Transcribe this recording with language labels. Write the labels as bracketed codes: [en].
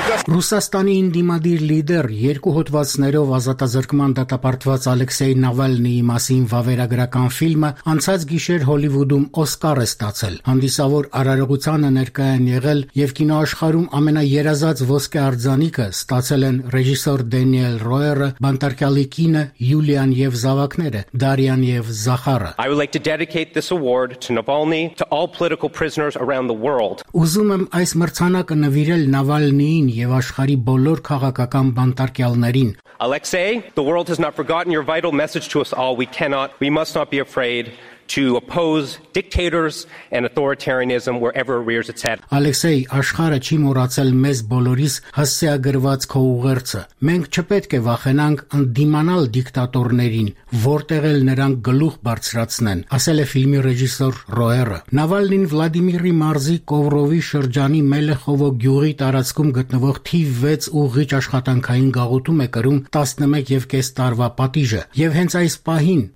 [hy] Ռուսաստանի ինդիմադիր լիդեր երկու հոդվածներով ազատազրկման դատապարտված Ալեքսեյ Նավալնիի մասին վավերագրական ֆիլմը անցած գիշեր Հոլիվուդում Օսկար է ստացել։ Հանդիսավոր արարողությանը ներկայ են եղել եւ կինոաշխարհում ամենաերազած ոսկե արձանիկը ստացել են ռեժիսոր Դենիել Ռոերը, բանտարկյալի կինը Յուլիան եւ Զավակները, Դարիան եւ Զախարը։ [en] I would like to dedicate this award to Navalny, to all political prisoners around the world. [hy] Ուզում եմ այս մրցանակը նվիրել Նավալնիին եւ աշխարի բոլոր քաղաքական բանտարկյալներին։ [en] Alexei, the world has not forgotten your vital message to us all. We must not be afraid to oppose dictators and authoritarianism wherever it rears its head. [hy] Alexei, աշխարը չի մոռացել մեզ բոլորիս հասցեագրված քո ուղերձը։ Մենք չպետք է վախենանք ընդդիմանալ դիկտատորներին, որտեղ էլ նրանք գլուխ բարձրացնեն, ասել է ֆիլմի ռեժիսոր Ռոերը։ Նավալնին Վլադիմիրի մարզի Կովրովի շրջանի Մելեխովո գյուղի տարածքում գտնվող TV6 ուղիղ աշխատանքային գաղութում է կրում 11 եւ կես տարվա պատիժը։ Եվ հենց այս պահին